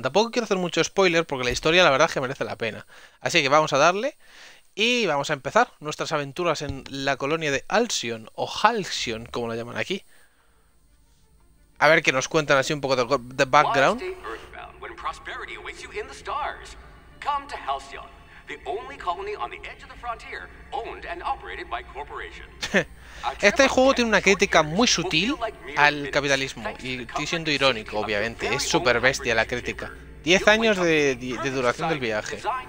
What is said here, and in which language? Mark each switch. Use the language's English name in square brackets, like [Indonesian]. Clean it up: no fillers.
[Spanish] Tampoco quiero hacer mucho spoiler porque la historia la verdad es que merece la pena. Así que vamos a darle y vamos a empezar nuestras aventuras en la colonia de Halcyon, o Halcyon, como la llaman aquí. A ver qué nos cuentan así un poco de background. [English] Prosperity awaits you in the stars. Come to Halcyon, the only colony on the edge of the frontier, owned and operated by corporations. [Spanish] Este juego tiene una crítica muy sutil al capitalismo, y estoy siendo irónico, obviamente, es súper bestia la crítica. 10 años de duración del viaje.